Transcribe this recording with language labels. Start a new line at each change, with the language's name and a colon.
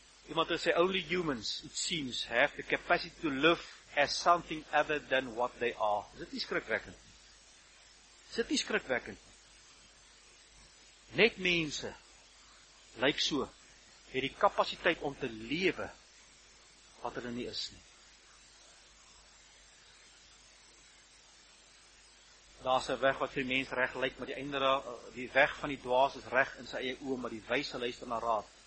Afrikaans: Iemand het sê,
English: only humans, it seems, have the capacity to live as something other than what they are.
Afrikaans: Is dit nie skrikwekkend? Is dit nie skrikwekkend? Net mense, lyk so, het die kapasiteit om te lewe wat hulle nie is nie. Daar is een weg wat vir die mens reg lyk, maar die einde, die weg van die dwaas is reg in sy eie oor, maar die wyse luister na raad.